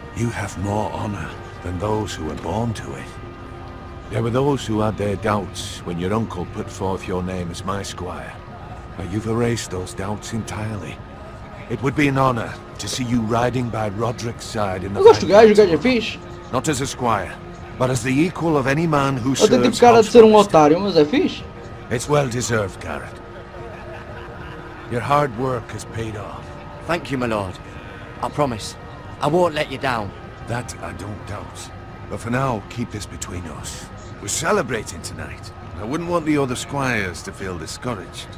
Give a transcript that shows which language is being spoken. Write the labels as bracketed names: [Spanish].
[English] You have more honor than those who were born to it. There were those who had their doubts when your uncle put forth your name as my squire. But you've erased those doubts entirely. It would be an honor to see you riding by Roderick's side in the fight. You got your fish. Not as a squire. But as the equal of any man who [Portuguese] eu [English] serves [Portuguese] tipo cara de ser um otário, mas é fixe. [English] It's well deserved, Garrett. Your hard work has paid off. Thank you, my lord. I promise. I won't let you down. That I don't doubt. But for now, keep this between us. We're celebrating tonight. I wouldn't want the other squires to feel discouraged.